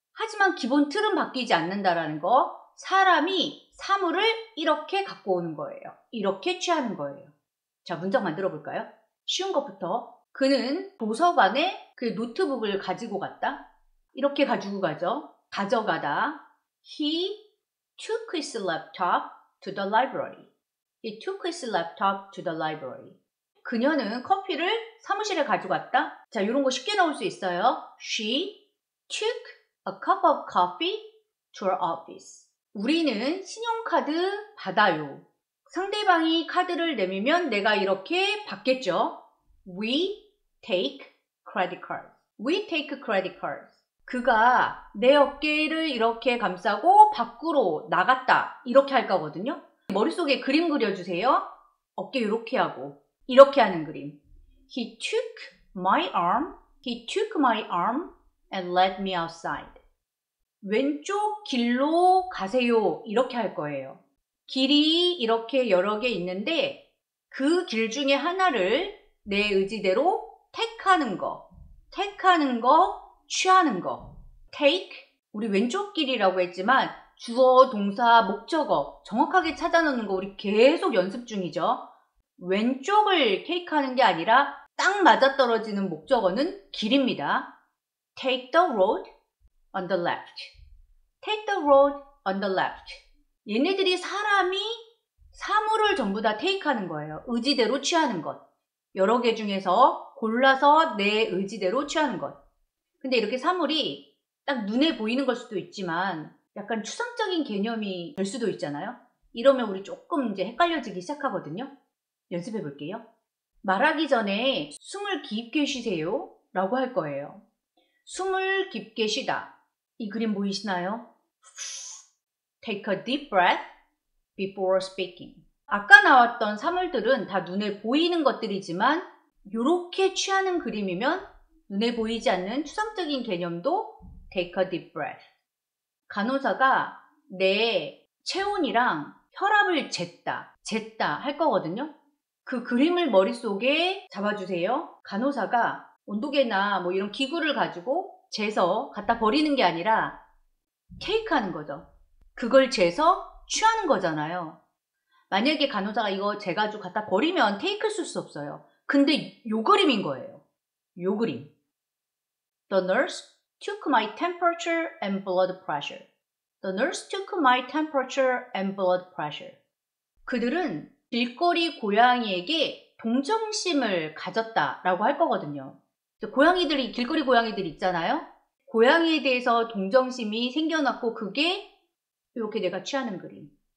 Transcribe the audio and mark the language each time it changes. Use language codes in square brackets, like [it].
[ko] 하지만 기본 틀은 바뀌지 않는다라는 거, 사람이 사물을 이렇게 갖고 오는 거예요. 이렇게 취하는 거예요. 자, 문장 만들어 볼까요? 쉬운 것부터. 그는 도서관에 그 노트북을 가지고 갔다. 이렇게 가지고 가죠. 가져가다. [en] He took his laptop to the library. He took his laptop to the library. [ko] 그녀는 커피를 사무실에 가져갔다. 자, 이런 거 쉽게 넣을 수 있어요. [en] She took a cup of coffee to her office. [ko] 우리는 신용카드 받아요. 상대방이 카드를 내밀면 내가 이렇게 받겠죠. [en] We take credit cards. We take credit cards. [ko] 그가 내 어깨를 이렇게 감싸고 밖으로 나갔다 이렇게 할 거거든요. 머릿속에 그림 그려주세요. 어깨 이렇게 하고 이렇게 하는 그림. [en] He took my arm. He took my arm and led me outside. [ko] 왼쪽 길로 가세요 이렇게 할 거예요. 길이 이렇게 여러 개 있는데 그 길 중에 하나를 내 의지대로 택하는 거. 택하는 거. 취하는 거. take 우리 왼쪽 길이라고 했지만 주어, 동사, 목적어 정확하게 찾아놓는 거 우리 계속 연습 중이죠. 왼쪽을 take 하는 게 아니라 딱 맞아떨어지는 목적어는 길입니다. [en] Take the road on the left. Take the road on the left. [ko] 얘네들이 사람이 사물을 전부 다 take 하는 거예요. 의지대로 취하는 것. 여러 개 중에서 골라서 내 의지대로 취하는 것. 근데 이렇게 사물이 딱 눈에 보이는 걸 수도 있지만 약간 추상적인 개념이 될 수도 있잖아요. 이러면 우리 조금 이제 헷갈려지기 시작하거든요. 연습해 볼게요. 말하기 전에 숨을 깊게 쉬세요 라고 할 거예요. 숨을 깊게 쉬다. 이 그림 보이시나요? [en] Take a deep breath before speaking. [ko] 아까 나왔던 사물들은 다 눈에 보이는 것들이지만 이렇게 취하는 그림이면 눈에 보이지 않는 추상적인 개념도 [en] Take a deep breath. [ko] 간호사가 내 체온이랑 혈압을 쟀다 할 거거든요. 그 그림을 머릿속에 잡아주세요. 간호사가 온도계나 뭐 이런 기구를 가지고 재서 갖다 버리는 게 아니라 테이크 하는 거죠. 그걸 재서 취하는 거잖아요. 만약에 간호사가 이거 재가지고 갖다 버리면 테이크 쓸 수 없어요. 근데 요 그림인 거예요. 요 그림. [en] The nurse took my temperature and blood pressure. The nurse took my temperature and blood pressure. [ko] 그들은 길거리 고양이에게 동정심을 가졌다라고 할 거거든요. 고양이들이, 길거리 고양이들 있잖아요. 고양이에 대해서 동정심이 생겨났고 그게 이렇게 내가 취하는 그림.